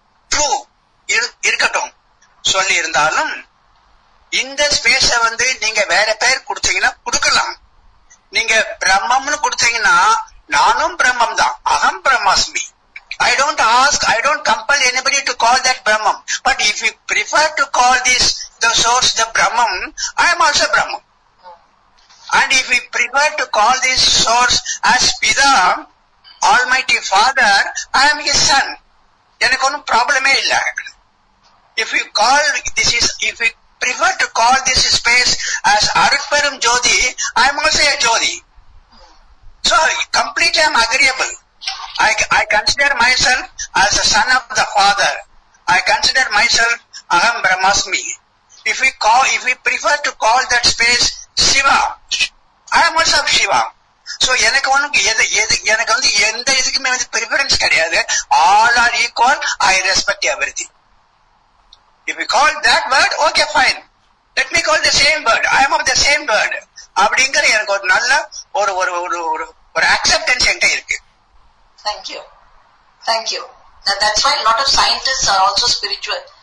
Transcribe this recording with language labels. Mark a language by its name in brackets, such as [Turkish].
[Tamil] True இருக்கட்டும் சொல்லி இருந்தாலும், இந்த ஸ்பேஸ வந்து நீங்க வேற பேர் கொடுத்தீங்கன்னா கொடுக்கலாம். நீங்க பிரம்மம்னு கொடுத்தீங்கன்னா நானும் பிரம்மம் தான், அகம் பிரம்மாஸ்மி. [English] I don't ask, I don't compel anybody to call that Brahmam. But if you prefer to call this the source the Brahmam, I am also Brahmam. And if we prefer to call this source as Pitha, Almighty Father, I am his son. [Tamil] எனக்கு ஒன்றும் ப்ராப்ளமே இல்ல. [English] If we prefer to call this space as Arupparum Jyothi, I am also a Jyothi. So, completely I am agreeable. I consider myself as a son of the Father. I consider myself Aham Brahmasmi. If we prefer to call that space Shiva, I am also Shiva. [Tamil] So எனக்கு ஒண்ணு எனக்கு வந்து எந்த இதுக்குமே வந்து preference கிடையாது. [English] All are equal, I respect everything. If you call that word okay fine, let me call the same word, I am of the same word [Tamil] அப்படிங்கிற எனக்கு ஒரு நல்ல ஒரு ஒரு ஒரு ஒரு ஒரு அக்செப்டன்ஸ் என்கிட்ட இருக்கு. [English] Thank you. Now, that's why a lot of scientists are also spiritual.